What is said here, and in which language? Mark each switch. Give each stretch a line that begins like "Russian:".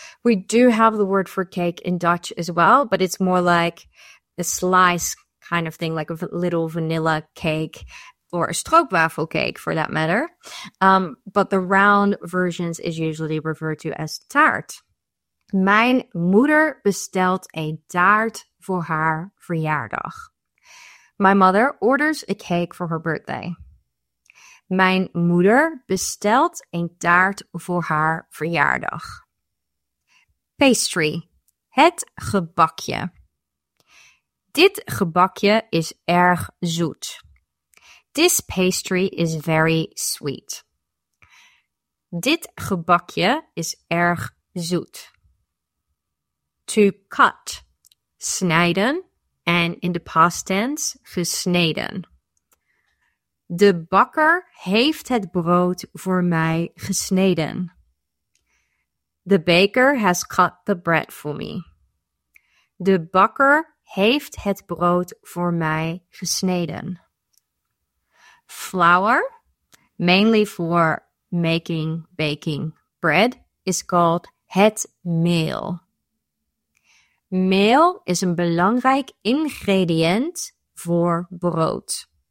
English: We do have the word for cake in Dutch as well, but it's more like a slice kind of thing, like a little vanilla cake or a stroopwafel cake for that matter. But the round versions is usually referred to as taart.
Dutch: Mijn moeder bestelt een taart voor haar verjaardag.
English: My mother orders a cake for her birthday.
Dutch: Mijn moeder bestelt een taart voor haar verjaardag. Pastry. Het gebakje. Dit gebakje is erg zoet.
English: This pastry is very sweet.
Dutch: Dit gebakje is erg zoet.
English: To cut. Snijden. And in the past tense, gesneden.
Dutch: De bakker heeft het brood voor mij gesneden.
English: The baker has cut the bread for me.
Dutch: De bakker heeft het brood voor mij gesneden.
English: Flour, mainly for making baking bread, is called het meel.
Dutch: Meel is een belangrijk ingrediënt voor brood.